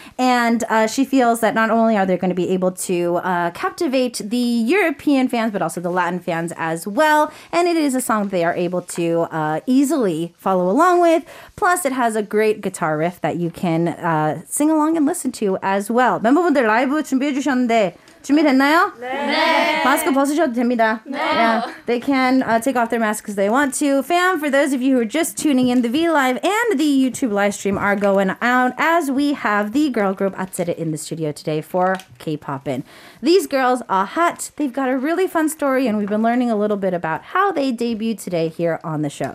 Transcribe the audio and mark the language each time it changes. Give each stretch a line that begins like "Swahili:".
English: And she feels that not only are they going to be able to captivate the European fans, but also the Latin fans as well. And it is a song that they are able to easily follow along with. Plus, it has a great guitar riff that you can sing along and listen to as well.
Korean: 멤버분들 라이브 준비해 주셨는데 준비됐나요? 네. 마스크 벗으셔도 됩니다. 네. Yeah,
English: they can take off their masks if they want to. Fam, for those of you who are just tuning in, the V Live and the YouTube live stream are going out as we have the girl group Atsere in the studio today for K-Poppin'. These girls are hot. They've got a really fun story, and we've been learning a little bit about how they debuted today here on the show.